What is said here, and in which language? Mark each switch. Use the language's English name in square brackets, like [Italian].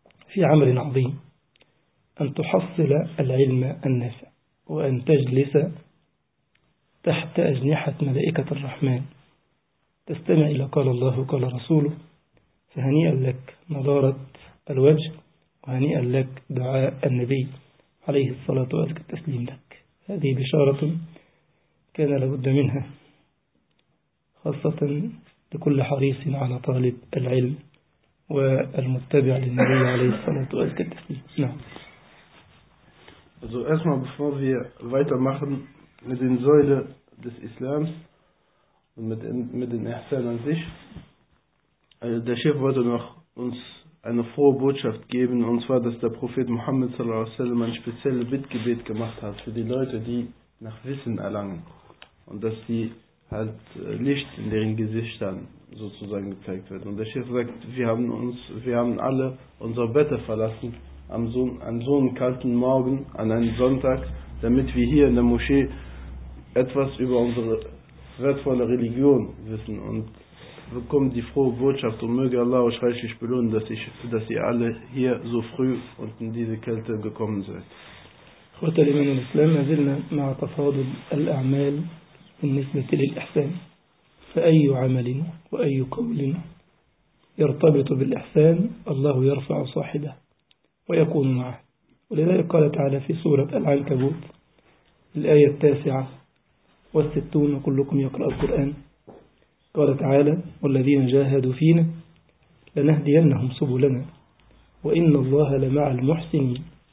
[Arabic] في عمل عظيم، أن تحصل العلم النافع، وأن تجلس تحت أجنحة ملائكة الرحمن تستمع إلى قال الله وقال رسوله، فهنيئا لك نظارة الوجه، وهنيئا لك دعاء النبي عليه الصلاة والتسليم لك. هذه بشارة كان لابد منها، خاصة لكل حريص على طالب العلم والمتبع للنبي عليه الصلاة والتسليم. نعم. [German] Also erstmal, bevor wir weitermachen mit den Säulen des Islams und mit den Ihsan an sich, also der Chef wollte noch uns eine frohe Botschaft geben, und zwar, dass der Prophet Muhammad sallallahu alaihi wasallam ein spezielles Bittgebet gemacht hat für die Leute, die nach Wissen erlangen, und dass die halt Licht in deren Gesichtern sozusagen gezeigt wird. Und der Chef sagt, wir haben alle unsere Bette verlassen, an so einem kalten Morgen, an einem Sonntag, damit wir hier in der Moschee etwas über unsere wertvolle Religion wissen und bekommen die frohe Botschaft, und möge Allah euch reichlich belohnen, dass ihr alle hier so früh und in diese Kälte gekommen seid. [Arabic] أخوة الإيمان والإسلام، ما زلنا مع تفاضل الأعمال بالنسبة للإحسان، فأي عمل وأي قول يرتبط بالإحسان الله يرفع صاحبه ويكون معه. ولذلك قال تعالى في سورة العنكبوت الآية 69، كلكم يقرأ القرآن، قال تعالى والذين جاهدوا فينا لنهدينهم سبلنا وإن الله لمع المحسنين.